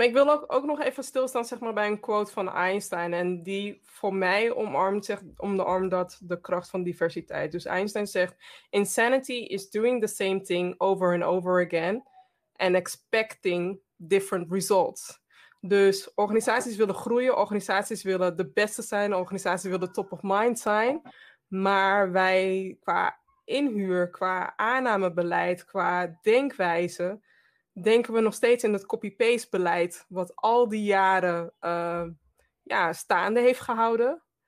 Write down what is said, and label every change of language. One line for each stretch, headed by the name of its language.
Dutch: Ik wil ook nog even stilstaan zeg maar, bij een quote van Einstein, en die voor mij omarmt dat de kracht van diversiteit. Dus Einstein zegt,
English: insanity is doing the same thing over and over again and expecting different results.
Dutch: Dus organisaties willen groeien, organisaties willen de beste zijn, organisaties willen top of mind zijn. Maar wij qua inhuur, qua aannamebeleid, qua denkwijze, denken we nog steeds in het copy-paste beleid wat al die jaren staande heeft gehouden.